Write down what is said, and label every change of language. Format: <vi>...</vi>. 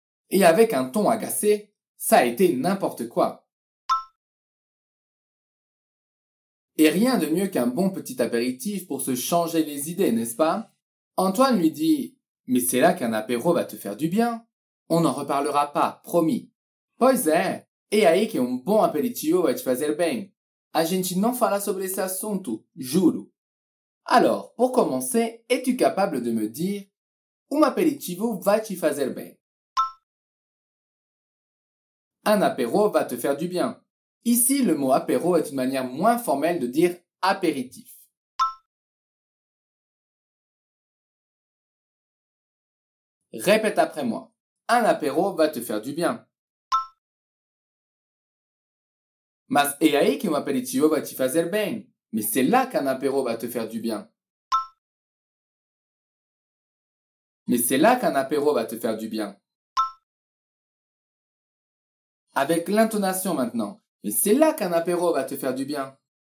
<fr>Et avec un ton agacé, ça a été n'importe quoi. Et rien de mieux qu'un bon petit apéritif pour se changer les idées, n'est-ce pas? Antoine lui dit, mais c'est là qu'un apéro va te faire du bien. On n'en reparlera pas, promis.</fr> <pt>Pois é. E aí que um bom aperitivo vai te fazer bem. A gente não fala sobre esse assunto, juro.</pt> <fr>Alors, pour commencer, es-tu capable de me dire</fr> <pt>um aperitivo vai te fazer bem?</pt> <fr>Un apéro va te faire du bien. Ici, le mot apéro est une manière moins formelle de dire apéritif. Répète après moi. Un apéro va te faire du bien.</fr> <pt>Mas é aí que um aperitivo vai te fazer bem.</pt> <fr>Mas c'est là qu'un apéro va te faire du bien. Mais c'est là qu'un apéro va te faire du bien. Avec l'intonation maintenant. Mais c'est là qu'un apéro va te faire du bien.</fr>